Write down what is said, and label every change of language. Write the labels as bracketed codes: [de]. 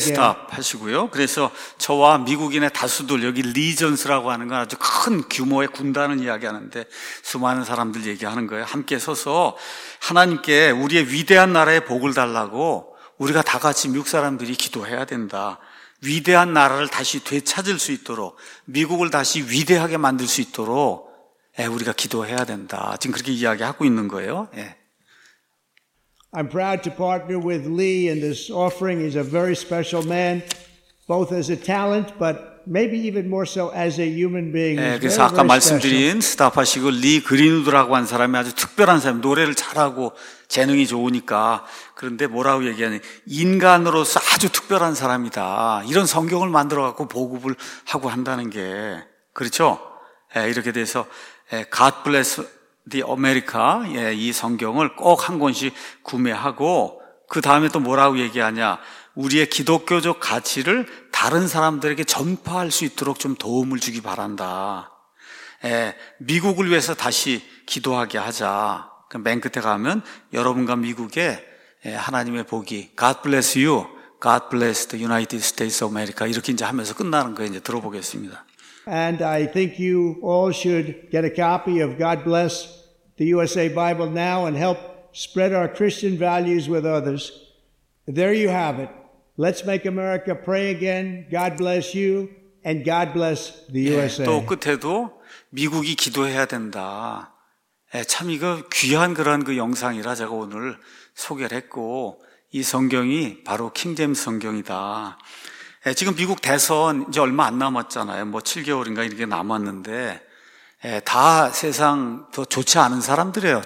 [ko] 스탑 하시고요. 그래서 저와 미국인의 다수들 여기 리전스라고 하는 건 아주 큰 규모의 군단을 이야기하는데 수많은 사람들 얘기하는 거예요. 함께 서서 하나님께 우리의 위대한 나라의 복을 달라고 우리가 다 같이 미국 사람들이 기도해야 된다. 위대한 나라를 다시 되찾을 수 있도록 미국을 다시 위대하게 만들 수 있도록 우리가 기도해야 된다. 지금 그렇게 이야기하고 있는 거예요. [en] I'm proud to partner with Lee in this offering. He's a very special man, both as a talent, but maybe even more so as a human being. [ko] 예, 그래서 very, 아까 very 말씀드린 스타파시고 리 그린우드라고 한 사람이 아주 특별한 사람, 노래를 잘하고 재능이 좋으니까. 그런데 뭐라고 얘기하니, 인간으로서 아주 특별한 사람이다. 이런 성경을 만들어 갖고 보급을 하고 한다는 게 그렇죠? 예, 이렇게 돼서 예, [en] God bless the America. [ko] 예, 이 성경을 꼭 한 권씩 구매하고 그 다음에 또 뭐라고 얘기하냐? 우리의 기독교적 가치를 다른 사람들에게 전파할 수 있도록 좀 도움을 주기 바란다. 예, 미국을 위해서 다시 기도하게 하자. 그럼 맨 끝에 가면 여러분과 미국에 예, 하나님의 복이 [en] God bless you, God bless the United States of America [ko] 이렇게 이제 하면서 끝나는 거 이제 들어보겠습니다. [en] And I think you all should get a copy of God Bless the USA Bible now and help spread our Christian values with others. There you have it. Let's make America pray again. God bless you and God bless the USA. [ko] 예, 또 끝에도 미국이 기도해야 된다. 예, 참 이거 귀한 그런 그 영상이라 제가 오늘 소개를 했고 이 성경이 바로 킹제임스 성경이다. 예, 지금 미국 대선 이제 얼마 안 남았잖아요. 뭐 7개월인가 이렇게 남았는데 예, 다 세상 더 좋지 않은 사람들이에요.